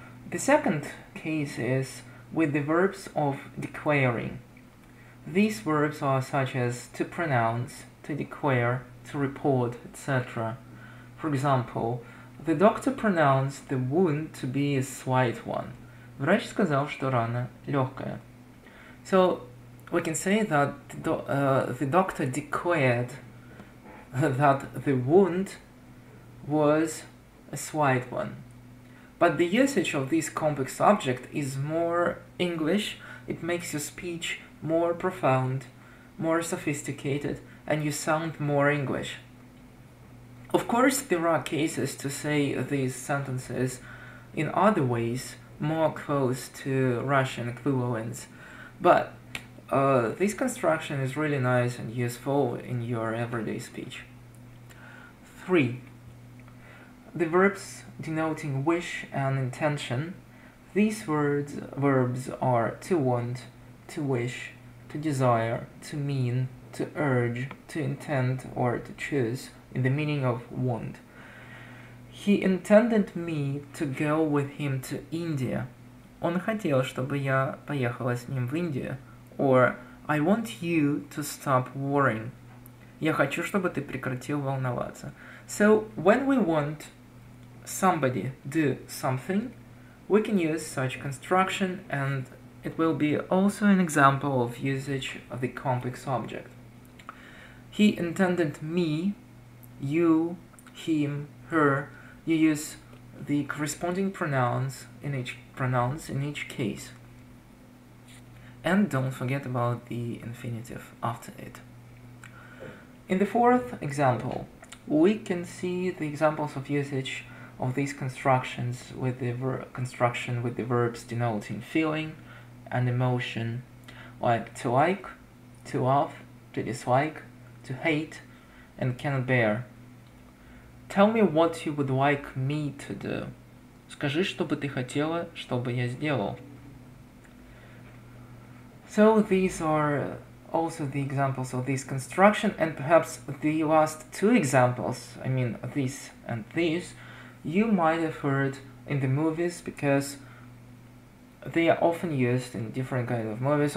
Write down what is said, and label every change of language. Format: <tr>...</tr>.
<en>The second case is with the verbs of declaring. These verbs are such as to pronounce, to declare, to report, etc. For example, the doctor pronounced the wound to be a slight one.</en> <ru>Врач сказал, что рана легкая.</ru> <en>So we can say that the doctor declared that the wound was a slight one. But the usage of this complex object is more English. It makes your speech more profound, more sophisticated, and you sound more English. Of course, there are cases to say these sentences in other ways, more close to Russian equivalents, but this construction is really nice and useful in your everyday speech. 3. The verbs denoting wish and intention. These verbs are to want, to wish, to desire, to mean, to urge, to intend, or to choose, in the meaning of want. He intended me to go with him to India.</en> <ru>Он хотел, чтобы я поехала с ним в Индию.</ru> <en>Or, I want you to stop worrying.</en> <ru>Я хочу, чтобы ты прекратил волноваться.</ru> <en>So, when we want somebody to do something, we can use such construction, and it will be also an example of usage of the complex object. He intended me, you, him, her. You use the corresponding pronouns in each case. And don't forget about the infinitive after it. In the fourth example, we can see the examples of usage of these constructions with the construction with the verbs denoting feeling and emotion, like to like, to love, to dislike, to hate, and cannot bear. Tell me what you would like me to do.</en> <ru>Скажи, что бы ты хотела, чтобы я сделал.</ru> <en>So these are also the examples of this construction, and perhaps the last two examples, I mean this and this, you might have heard in the movies, because they are often used in different kind of movies.</en>